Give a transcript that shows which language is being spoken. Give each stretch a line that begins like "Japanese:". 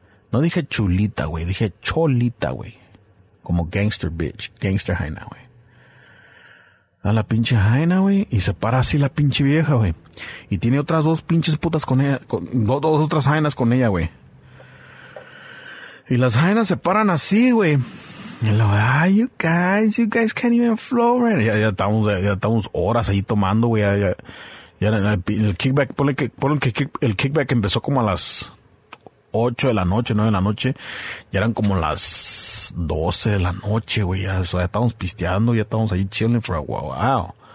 Spanish: No dije chulita, güey, dije cholita, güey. Como
English: gangster bitch,
Spanish: gangster jaina, güey. A la pinche jaina, güey, y se para así la pinche vieja, güey. Y tiene otras dos pinches putas con ella, dos otras jainas con ella, güey. Y las jainas se paran así, güey.
English: Y lo, ah, you guys can't even flow, man.
Spanish: Ya estamos horas ahí tomando, güey. El kickback empezó como a las 8 de la noche, 9 de la noche. Ya eran como las 12 de la noche, güey. Ya, o sea, ya estamos pisteando, ya estamos ahí
English: chilling for a while.